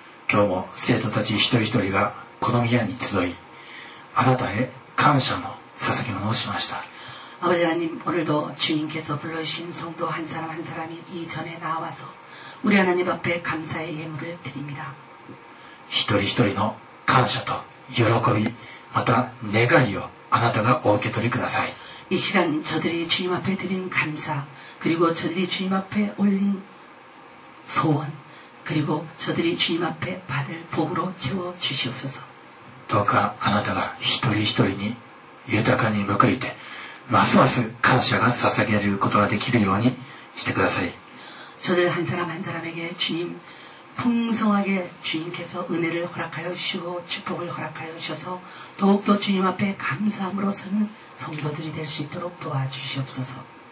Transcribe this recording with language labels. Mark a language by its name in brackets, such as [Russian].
[Japanese] 今日も生徒たち一人一人がこの宮に集い、あなたへ感謝の捧げ物をしました。 [Korean] 아버지하나님오늘도주님께서불러주신성도한사람한사람이이전에나와서우리하나님앞에감사의예물을드립니다。 [Japanese] 一人一人の感謝と喜び、また願いをあなたがお受け取りください。 [Korean] 이시간저들이주님앞에드린감사그리고저들이주님앞에올린소원그리고저들이주님앞에받을복으로채워주시옵소서。 [Japanese] どうかあなたが一人一人に豊かに報いて、ますます感謝が捧げることができるようにしてください。 [Korean] 저들한사람한사람에게주님풍성하게주님께서은혜를허락하여주시고축복을허락하여주셔서더욱더주님앞에감사함으로서는성도들이될수있도록도와주시옵소서。